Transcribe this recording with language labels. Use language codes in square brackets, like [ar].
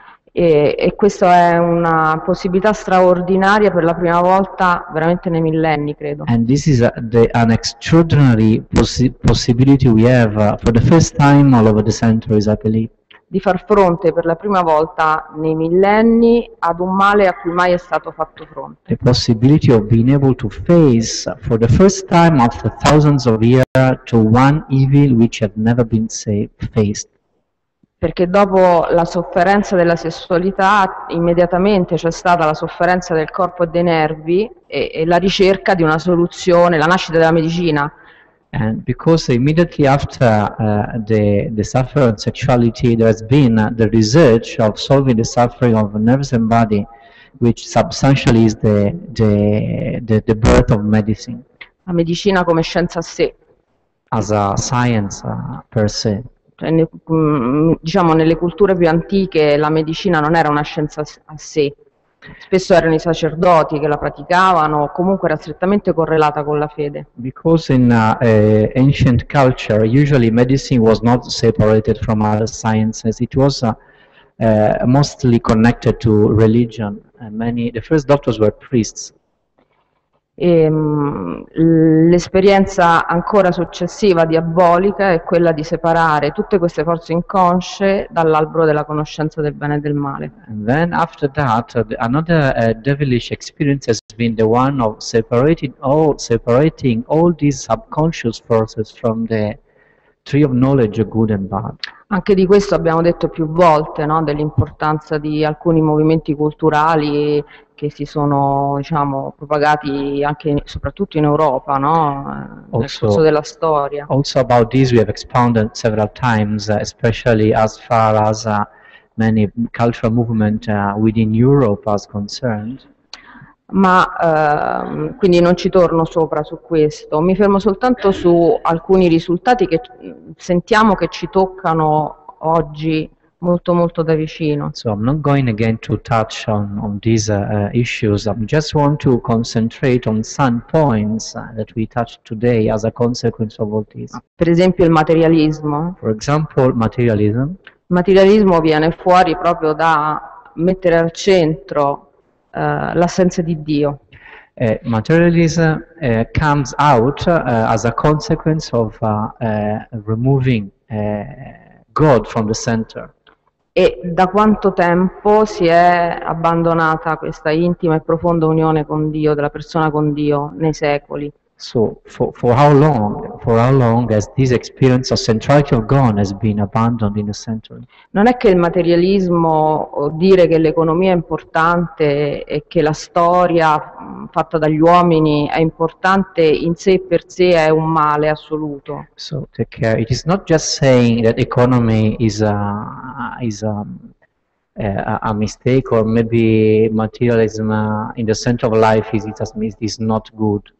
[it] E questa è una possibilità straordinaria per la prima volta veramente nei millenni, credo. [en] And this is an extraordinary possibility we have for the first time all over the centuries, I believe. [it] Di far fronte per la prima volta nei millenni ad un male a cui mai è stato fatto fronte. [en] The possibility of being able to face for the first time after thousands of years to one evil which had never been faced. [it] Perché dopo la sofferenza della sessualità immediatamente c'è stata la sofferenza del corpo e dei nervi e la ricerca di una soluzione, la nascita della medicina. [en] And because immediately after the suffering of sexuality there has been the research of solving the suffering of nerves and body, which substantially is the birth of medicine. [it] La medicina come scienza a sé. [en] As a science per se. [it] Cioè, diciamo, nelle culture più antiche la medicina non era una scienza a sé, spesso erano i sacerdoti che la praticavano, comunque era strettamente correlata con la fede. [en] Because in ancient culture usually medicine was not separated from other sciences, it was mostly connected to religion, and the first doctors were priests. [it] L'esperienza ancora successiva diabolica è quella di separare tutte queste forze inconsce dall'albero della conoscenza del bene e del male. [en] And then after that, another devilish experience has been the one of separating all these subconscious forces from the tree of knowledge of good and bad. [it] Anche di questo abbiamo detto più volte, no? Dell'importanza di alcuni movimenti culturali che si sono, diciamo, propagati anche, soprattutto in Europa, no? [en] Also, [it] nel corso della storia. [en] Also about this we have expounded several times, especially as far as many cultural movements within Europe are concerned. [it] Ma quindi non ci torno sopra su questo, mi fermo soltanto su alcuni risultati che sentiamo che ci toccano oggi molto molto da vicino. [en] So I'm not going again to touch on these issues, I just want to concentrate on some points that we touched today as a consequence of all this. [it] Per esempio il materialismo. [en] For example, materialism. [it] Materialismo viene fuori proprio da mettere al centro l'assenza di Dio. [en] Materialism comes out as a consequence of removing God from the center. [it] E da quanto tempo si è abbandonata questa intima e profonda unione con Dio, della persona con Dio, nei secoli? [en] So for how long has this experience of centrality of God has been abandoned in the century? [it] Non è che il materialismo, o dire che l'economia è importante e che la storia fatta dagli uomini è importante in sé per sé è un male assoluto. [en] So take care. It is not just saying that economy is a mistake, or maybe materialism in the center of life is not good.